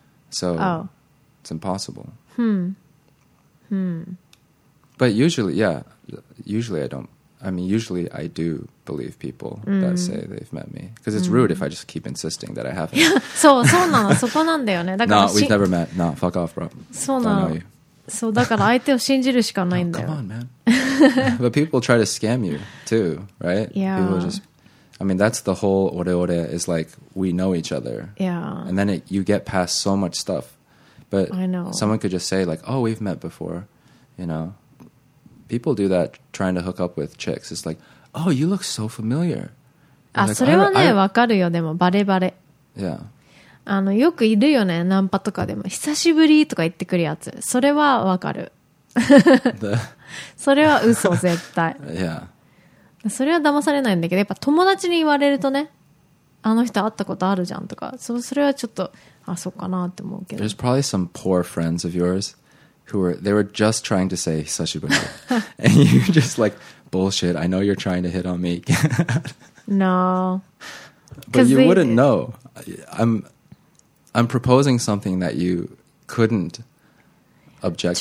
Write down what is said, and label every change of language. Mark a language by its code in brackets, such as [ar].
[en] So it's impossible. But usually, yeah, usually I don't. I mean, usually I do believe people that say they've met me. Because it's rude if I just keep insisting that I haven't. [ja] そう、そうなの。そこなんだよね。だから、 [en] No, we've never met. No, fuck off, bro. [ja] そうなの。そう、だから相手を信じるしかないんだよ。 [en] Oh, come on, man. But people try to scam you too, right? Yeah. People just, I mean, that's the whole ore ore is like, we know each other. Yeah. And then it, you get past so much stuff. But I know. Someone could just say like, oh, we've met before, you know. People do that trying to hook up with chicks. It's like, oh, you look so familiar. [ja] あ、like, それはね、わかるよ。でもバレバレ。 [en] Yeah. [ja] あの、よくいるよね、ナンパとかでも。久しぶりとか言ってくるやつ。それはわかる。 [en] The... [ja] それは嘘、絶対。 [en] Yeah. [ja] それは騙されないんだけど、やっぱ友達に言われるとね、あの人会ったことあるじゃんとか、それはちょっと、あ、そうかなって思うけど。 [en] There's probably some poor friends of yours who were, they were just trying to say [ja] 久しぶり。 [en] And you're just like, bullshit, I know you're trying to hit on me. No. But you wouldn't know. I'm proposing something that you couldn't object